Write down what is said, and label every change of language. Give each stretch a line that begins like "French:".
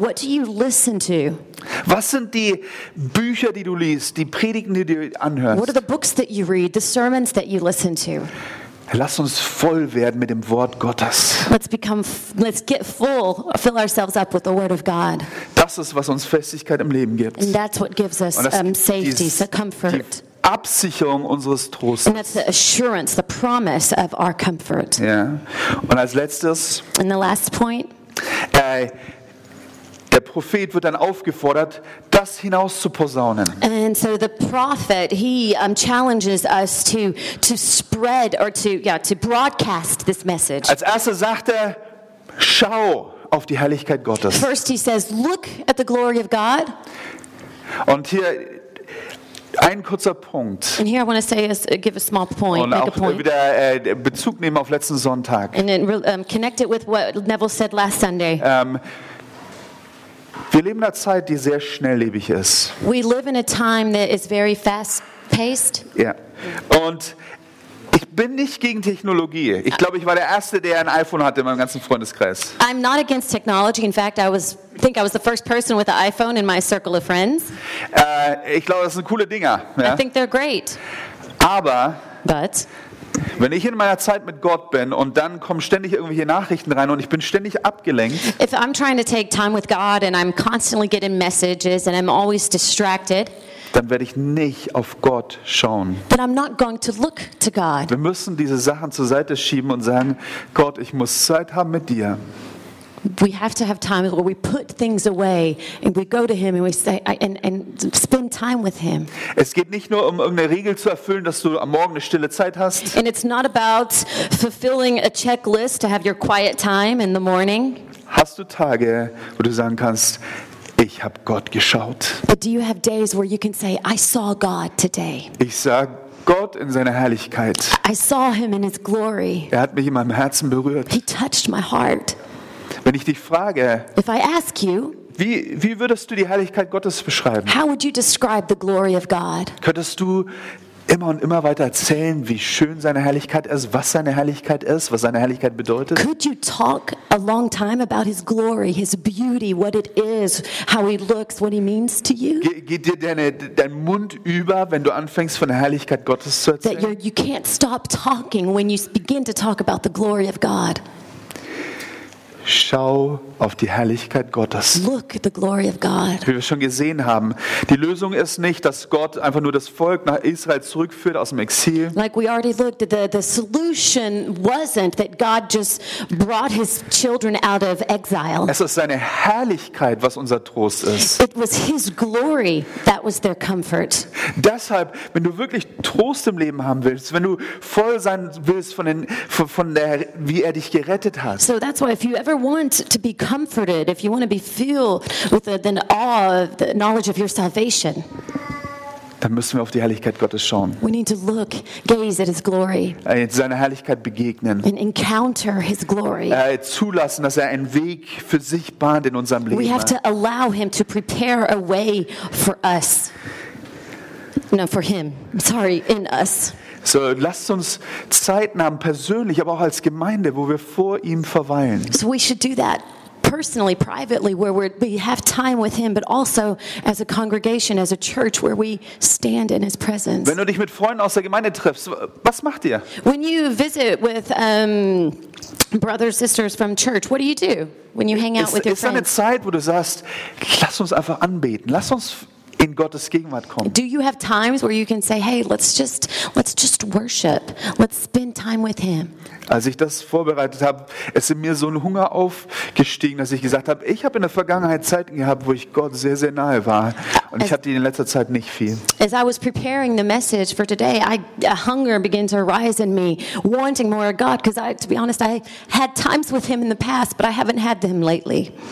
English: What do you listen to?
German: Was sind die Bücher, die du liest? Die Predigten, die du anhörst?
English: What are the books that you read? The sermons that you listen to?
German: Lass uns voll werden mit dem Wort Gottes.
English: Let's get full, fill ourselves up with the word of God.
German: Das ist, was uns Festigkeit im Leben gibt.
English: And that's what gives us safety, the comfort.
German: Absicherung unseres Trostes.
English: And that's the assurance, the promise of our comfort.
German: Ja. Und als letztes.
English: And the last point.
German: Der Prophet wird dann aufgefordert, das hinaus zu posaunen.
English: And so the prophet, he challenges us to spread or to broadcast this message.
German: Als erstes sagt er, schau auf die Herrlichkeit Gottes.
English: First he says, look at the glory of God.
German: Und hier ein kurzer Punkt.
English: And here I want to say is give a small point.
German: Und auch
English: a point.
German: Wieder Bezug nehmen auf letzten Sonntag.
English: And then connect it with what Neville said last Sunday.
German: Wir leben in einer Zeit, die sehr schnelllebig ist.
English: We live in a time that is very fast-paced. Ja. Yeah.
German: Und ich bin nicht gegen Technologie. Ich glaube, ich war der Erste, der ein iPhone hatte in meinem ganzen Freundeskreis.
English: I'm not against technology. In fact, I think I was the first person with an iPhone in my circle of friends.
German: Ich glaube, das sind coole Dinger. Ja?
English: I think they're great.
German: Aber.
English: But.
German: Wenn ich in meiner Zeit mit Gott bin und dann kommen ständig irgendwelche Nachrichten rein und ich bin ständig abgelenkt.
English: If I'm trying to take time with God and I'm constantly getting messages and I'm always distracted,
German: dann werde ich nicht auf Gott schauen.
English: Then I'm not going to look to God.
German: Wir müssen diese Sachen zur Seite schieben und sagen, Gott, ich muss Zeit haben mit dir.
English: We have to have time where we put things away and we go to him and we say and spend time with him.
German: Es geht nicht nur um irgendeine Regel zu erfüllen, dass du am Morgen eine stille Zeit hast.
English: And it's not about fulfilling a checklist to have your quiet time in the morning.
German: Hast du Tage, wo du sagen kannst, ich habe Gott geschaut?
English: But do you have days where you can say, I saw God today?
German: Ich sag Gott in seiner Herrlichkeit.
English: I saw him in his glory.
German: Er hat mich in meinem Herzen berührt.
English: He touched my heart.
German: Wenn ich dich frage,
English: if I ask you,
German: wie würdest du die Herrlichkeit Gottes beschreiben?
English: How would you describe the glory of God?
German: Könntest du immer und immer weiter erzählen, wie schön seine Herrlichkeit ist, was seine Herrlichkeit ist, was seine Herrlichkeit bedeutet?
English: Could you talk a long time about his glory, his beauty, what it is, how he looks, what he means to you?
German: Geht dir dein Mund über, wenn du anfängst von der Herrlichkeit Gottes zu erzählen?
English: That you can't stop talking when you begin to talk about the glory of God.
German: Schau auf die Herrlichkeit Gottes.
English: Look at the glory of God.
German: Wie wir schon gesehen haben, die Lösung ist nicht, dass Gott einfach nur das Volk nach Israel zurückführt aus dem Exil.
English: Like we already looked, the solution wasn't that God just brought his children out of exile.
German: Es ist seine Herrlichkeit, was unser Trost ist.
English: It was his glory that was their comfort.
German: Deshalb, wenn du wirklich Trost im Leben haben willst, wenn du voll sein willst von der wie er dich gerettet hat.
English: So that's why if you ever want to be comforted, if you want to be filled with the awe of the knowledge of your salvation,
German: dann müssen wir auf die Herrlichkeit Gottes schauen.
English: We need to look, gaze at his glory.
German: Seiner Herrlichkeit begegnen.
English: And encounter his glory.
German: Zulassen, dass er einen Weg für sich bahnt in unserem Leben.
English: We have to allow him to prepare a way for us. No, for him. Sorry, in us.
German: So, lasst uns Zeit nehmen, persönlich, aber auch als Gemeinde, wo wir vor ihm verweilen.
English: So we should do that personally, privately, where we have time with him, but also as a congregation, as a church, where we stand in his presence.
German: Wenn du dich mit Freunden aus der Gemeinde triffst, was macht ihr?
English: When you visit with brothers, sisters from church, what do? When you hang out
German: ist,
English: with your
German: ist
English: friends.
German: Ist eine Zeit, wo du sagst, lass uns einfach anbeten, lass uns in Gottes Gegenwart kommen.
English: Do you have times where you can say, hey, let's just worship, let's spend time with him?
German: Als ich das vorbereitet habe, ist in mir so ein Hunger aufgestiegen, dass ich gesagt habe, ich habe in der Vergangenheit Zeiten gehabt, wo ich Gott sehr, sehr nahe war. Und ich hatte ihn in letzter Zeit nicht viel.
English: As I was preparing the message for today, a hunger began to rise in me, wanting more of God, because to be honest, I had times with him in the past, but I haven't had them lately.